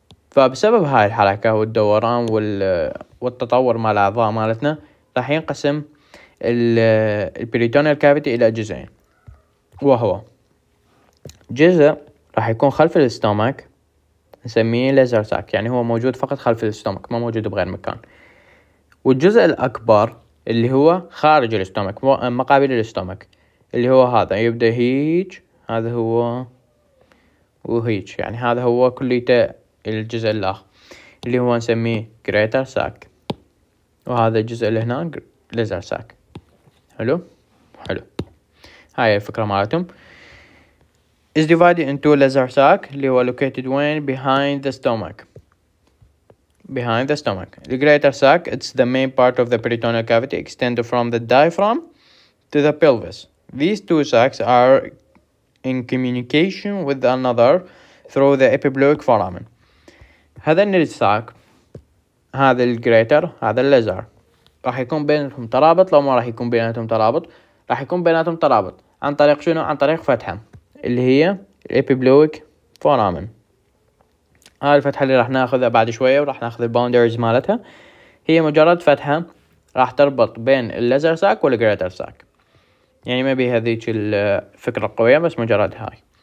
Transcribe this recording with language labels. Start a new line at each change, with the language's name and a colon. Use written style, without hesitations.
Arabic: فبسبب هاي الحركة والدوران والتطور مع الأعضاء مالتنا، راح ينقسم البريتونيال كافيتي إلى جزئين، وهو جزء راح يكون خلف الاستومك نسميه ليزر ساك، يعني هو موجود فقط خلف الاستومك ما موجود بغير مكان، والجزء الأكبر اللي هو خارج الاستومك مقابل الاستومك اللي هو هذا، يبدأ هيج، هذا هو وهيج، يعني هذا هو كليته الجزء الآخر اللي هو نسميه greater sac، وهذا الجزء اللي هنا lesser sac. حلو حلو، هاي الفكرة مالتهم.
English: is divided into lesser sac
Arabic: اللي هو
English: located when behind the stomach behind the stomach. The greater sac, it's the main part of the peritoneal cavity extended from the diaphragm to the pelvis. These two sacs are in communication with another through the epibloic foramen.
Arabic: هذا الساك، هذا الجريتر، هذا الليزر، راح يكون بينهم ترابط لو ما راح يكون بيناتهم ترابط، راح يكون بيناتهم ترابط عن طريق شنو؟ عن طريق فتحة اللي هي الابيبلويك فورامن. هاي الفتحة اللي راح ناخذها بعد شوية، وراح ناخذ الباوندريز مالتها، هي مجرد فتحة راح تربط بين الليزر ساك والجريتر ساك، يعني ما بي هذيك الفكرة القوية بس مجرد هاي.